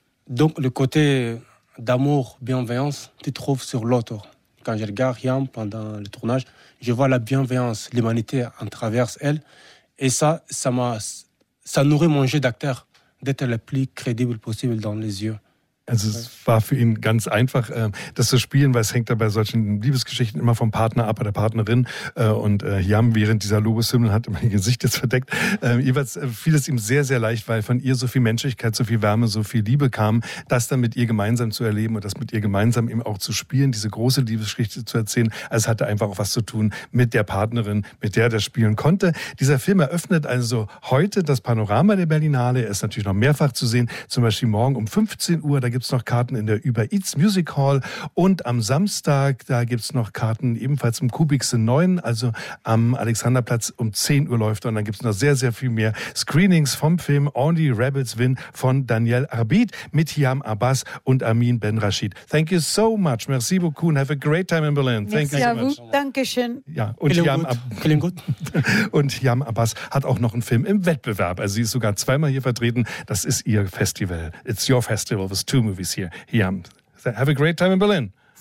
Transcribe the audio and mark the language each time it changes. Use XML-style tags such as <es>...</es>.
<fr>Donc, le côté d'amour, bienveillance, tu trouves sur l'autre. Quand je regarde Yam pendant le tournage, je vois la bienveillance, l'humanité en travers elle. Et ça nourrit mon jeu d'acteur. D'être le plus crédible possible dans les yeux.</fr> <de>Also es war für ihn ganz einfach, das zu spielen, weil es hängt da bei solchen Liebesgeschichten immer vom Partner ab, bei der Partnerin. Und Yam während dieser Lobeshymne hat mein Gesicht jetzt verdeckt. Jeweils fiel es ihm sehr, sehr leicht, weil von ihr so viel Menschlichkeit, so viel Wärme, so viel Liebe kam, das dann mit ihr gemeinsam zu erleben und das mit ihr gemeinsam eben auch zu spielen, diese große Liebesgeschichte zu erzählen. Also es hatte einfach auch was zu tun mit der Partnerin, mit der er spielen konnte. Dieser Film eröffnet also heute das Panorama der Berlinale. Er ist natürlich noch mehrfach zu sehen, zum Beispiel morgen um 15 Uhr. Da gibt es noch Karten in der Über Eats Music Hall. Und am Samstag, da gibt es noch Karten ebenfalls im Kubik 9, also am Alexanderplatz um 10 Uhr läuft. Und dann gibt es noch sehr, sehr viel mehr Screenings vom Film Only Rebels Win von Daniel Arbid mit Hiam Abbas und Amin Ben Rashid.</de> <en>Thank you so much.</en> <fr>Merci beaucoup</fr> <en>and have a great time in Berlin. Thank you so much.</en> <de>Dankeschön. Ja, und Hiam Abbas hat auch noch einen Film im Wettbewerb. Also sie ist sogar zweimal hier vertreten. Das ist ihr Festival.</de> <en>It's your festival. Two movies here. Yeah. Have a great time in Berlin.</en>